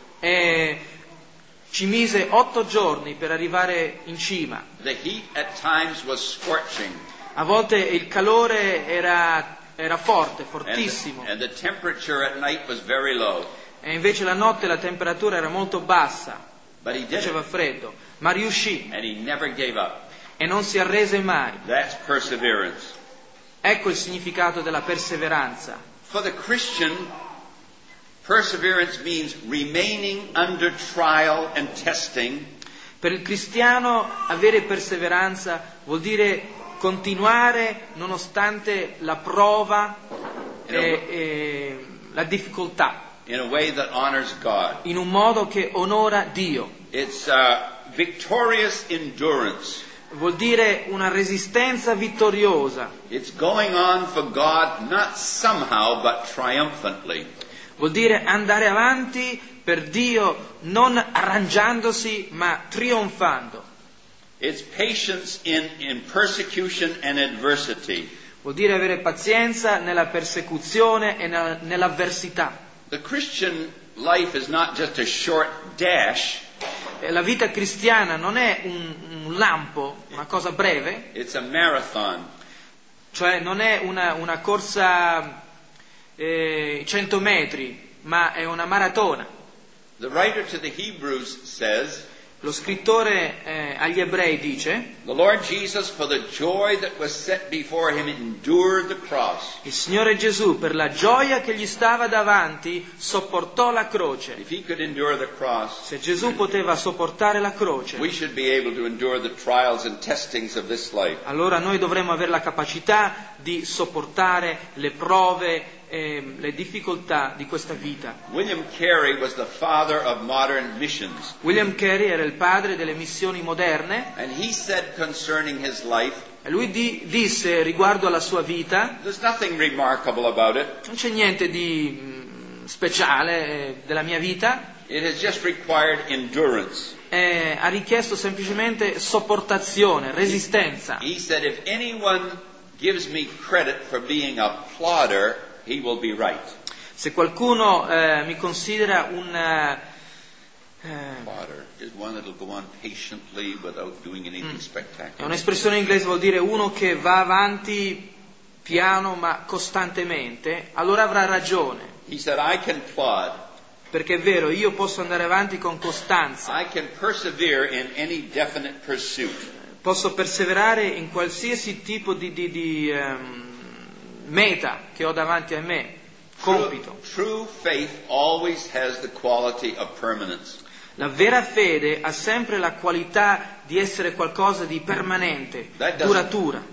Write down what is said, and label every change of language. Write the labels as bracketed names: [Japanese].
[Italian] E ci mise 8 giorni per arrivare in cima. [English] The heat at times was scorching. [Italian] A volte il calore era forte, fortissimo. [English] And the temperature at night was very low. [Italian] E invece la notte la temperatura era molto bassa. [English] But he did. [Italian] Faceva freddo, ma riuscì. [English] And he never gave up. [Italian] E non si arrese mai. [English] That's perseverance. [Italian] Ecco il significato della perseveranza. [English] For the Christian, perseverance means remaining under trial and testing. [Italian] Per il cristiano avere perseveranza vuol dire continuare nonostante la prova e la difficoltà. [English] In a way that honors God. [Italian] In un modo che onora Dio. [English] It's a victorious endurance. [Italian] Vuol dire una resistenza vittoriosa. [English] It's going on for God, not somehow, but triumphantly. [Italian] Vuol dire andare avanti per Dio, non arrangiandosi, ma trionfando. [English] It's patience in persecution and adversity. [Italian] Vuol dire avere pazienza nella persecuzione e nell'avversità. [English] The Christian life is not just a short dash. [Italian] La vita cristiana non è un lampo, una cosa breve. [English] It's a marathon. [Italian] Cioè non è una corsa 100 metri, ma è una maratona. [English] The writer to the Hebrews says, [Italian] lo scrittore agli ebrei dice, [English] the Lord Jesus, for the joy that was set before him, endured the cross. [Italian] Il Signore Gesù, per la gioia che gli stava davanti, sopportò la croce. [English] If he could endure the cross, [Italian] se Gesù poteva sopportare la croce, [English] we should be able to endure the trials and testings of this life. [Italian] Allora noi dovremmo avere la capacità di sopportare le prove le difficoltà di questa vita. [English] William Carey was the father of modern missions. [Italian] William Carey era il padre delle missioni moderne. [English] And he said concerning his life, [Italian] e lui disse riguardo alla sua vita, [English] there's nothing remarkable about it. [Italian] Non c'è niente di speciale della mia vita. [English] It has just required endurance. [Italian] Ha richiesto semplicemente sopportazione, resistenza. [English] He said if anyone gives me credit for being a plodder, he will be right. [Italian] Se qualcuno mi considera un [English] plodder is one that will go on patiently without doing anything spectacular. [Italian] È un'espressione inglese, vuol dire uno che va avanti piano ma costantemente, allora avrà ragione. [English] He said I can plod. [Italian] Perché è vero, io posso andare avanti con costanza. [English] I can persevere in any definite pursuit. [Italian] Posso perseverare in qualsiasi tipo di meta che ho davanti a me, compito. [English] True faith always has the quality of permanence. [Italian] La vera fede ha sempre la qualità di essere qualcosa di permanente, duratura.